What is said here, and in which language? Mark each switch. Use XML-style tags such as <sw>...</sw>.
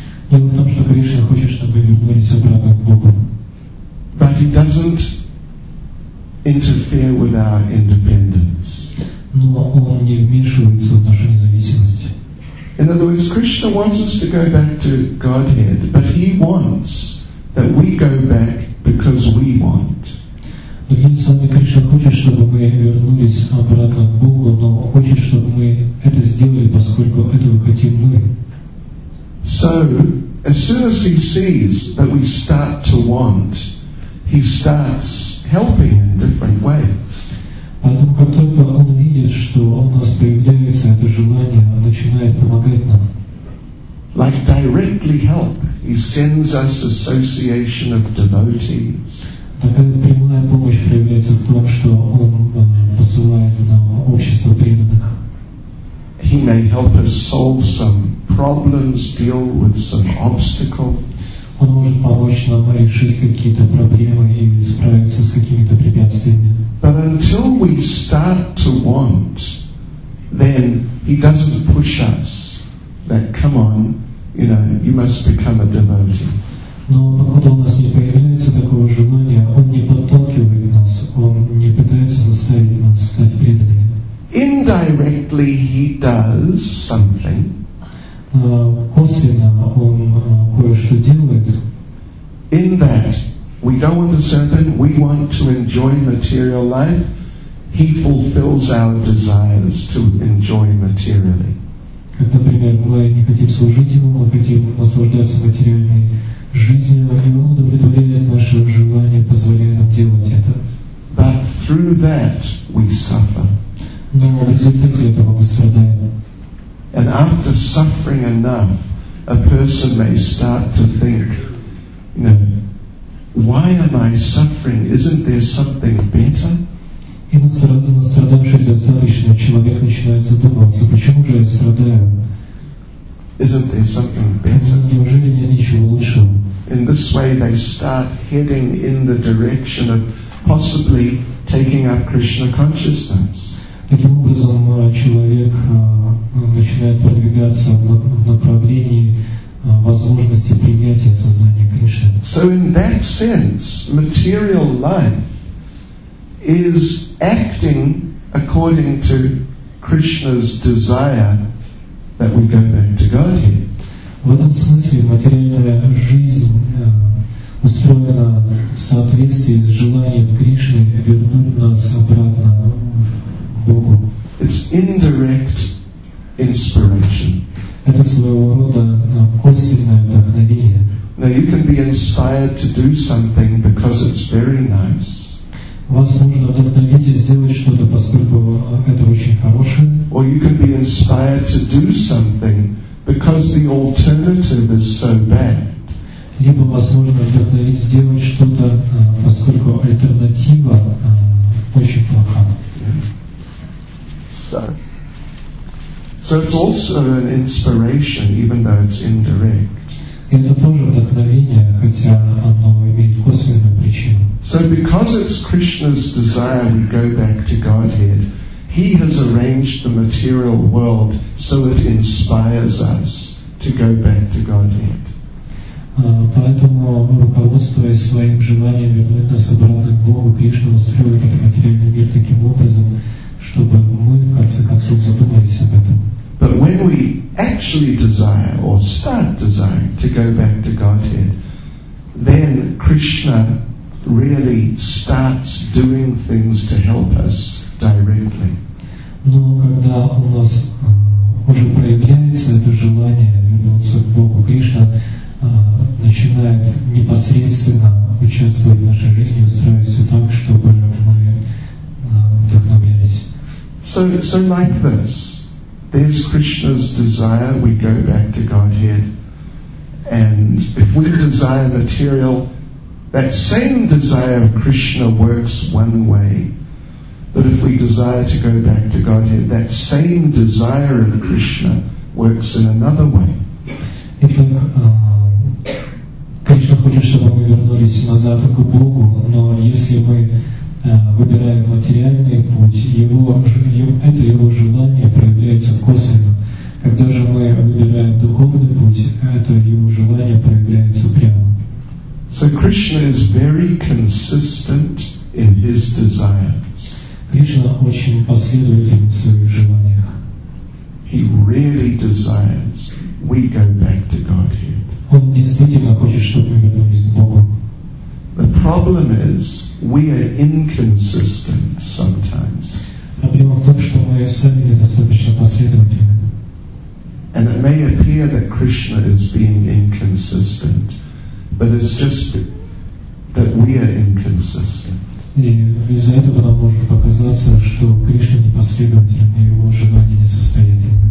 <ru>Дело в том, что Кришна хочет, чтобы мы вернулись обратно к Богу.</ru> <en>But he doesn't interfere with our independence.</en> <ru>Но он не вмешивается в нашу независимость.</ru> <en>In other words, Krishna wants us to go back to Godhead, but he wants that we go back because we want.</en> <ru>Другими словами, Кришна хочет, чтобы мы вернулись обратно к Богу, но хочет, чтобы мы это сделали, поскольку этого хотим мы.</ru> <en>So, as soon as he sees that we start to want, he starts helping in different ways.</en> <ru>Поэтому, как только он видит, что у нас появляется это желание, он начинает помогать нам.</ru> <en>Like directly help, he sends us association of devotees.</en> <ru>Такая прямая помощь проявляется в том, что он посылает нам общество преданных.</ru> <en>He may help us solve some problems, deal with some obstacles.</en> <ru>Он может помочь нам решить какие-то проблемы или справиться с какими-то препятствиями.</ru> <en>But until we start to want, then he doesn't push us that, come on, you know, you must become a devotee.</en> <ru>Но пока у нас не появляется такого желания, он не подталкивает нас, он не пытается заставить нас стать преданными.</ru> <en>Indirectly he does something.</en> <ru>Косвенно он кое-что делает.</ru> <en>In that we don't want to serve him, we want to enjoy material life, he fulfills our desires to enjoy materially.</en> <ru>Как, например, мы не хотим служить ему, мы хотим наслаждаться материальной жизнью, и он удовлетворяет наше желание, позволяя нам делать это.</ru> <en>But through that we suffer.</en> <ru>Но в результате этого мы страдаем.</ru> <en>And after suffering enough, a person may start to think, you know, why am I suffering? Isn't there something better?</en> <ru>И настрадавшись достаточно, человек начинает задумываться, почему же я страдаю?</ru> <en>Isn't there something better?</en> <ru>Неужели нет ничего лучшего?</ru> <en>In this way, they start heading in the direction of possibly taking up Krishna consciousness.</en> <ru>Таким образом, человек начинает продвигаться в направлении возможности принятия сознания Кришны.</ru> <en>So in that sense, material life is acting according to Krishna's desire that we go back to Godhead.</en> <ru>В этом смысле материальная жизнь устроена в соответствии с желанием Кришны вернуть нас обратно к Богу.</ru> <en>It's indirect inspiration.</en> <ru>Это своего рода косвенное вдохновение.</ru> <en>Now you can be inspired to do something because it's very nice.</en> <ru>Вас можно вдохновить и сделать что-то, поскольку это очень хорошее.</ru> <en>Or you can be inspired to do something because the alternative is so bad.</en> <ru>Либо вас можно вдохновить сделать что-то, поскольку альтернатива очень плоха.</ru> <en>So it's also an inspiration, even though it's indirect.</en> <ru>Это тоже вдохновение, хотя оно имеет косвенную причину.</ru> <en>So because it's Krishna's desire to go back to Godhead, he has arranged the material world so it inspires us to go back to Godhead.</en> <ru>Поэтому, руководствуясь своим желанием вернуть нас обратно к Богу, Кришна устроил этот материальный мир таким образом, чтобы мы, в конце концов, задумались об этом.</ru> <en>But when we actually desire or start desiring to go back to Godhead, then Krishna really starts doing things to help us directly.</en> <ru>Но когда у нас уже проявляется это желание вернуться к Богу, Кришна начинает непосредственно участвовать в нашей жизни, устраивать все так, чтобы мы вдохновлялись.</ru> <en>So like this. There's Krishna's desire, we go back to Godhead. And if we desire material, that same desire of Krishna works one way. But if we desire to go back to Godhead, that same desire of Krishna works in another way.</en> <ru>Итак, Кришна хочет, чтобы мы вернулись назад к Богу, но если мы выбираем материальный путь, это его желание проявляется косвенно. Когда же мы выбираем духовный путь, это его желание проявляется прямо.</ru> <en>So Krishna is very consistent in his desires.</en> <ru>Кришна очень последователен в своих желаниях.</ru> <en>He really desires we go back to Godhead.</en> <ru>Он действительно хочет, чтобы мы вернулись к Богу.</ru> <en>The problem is we are inconsistent sometimes.</en> <ru>Проблема в том, что мы сами недостаточно последовательны.</ru> <en>And it may appear that Krishna is being inconsistent, but it's just that we are inconsistent.</en> <ru>И из-за этого нам может показаться, что Кришна непоследователен, и его желания несостоятельны.</ru>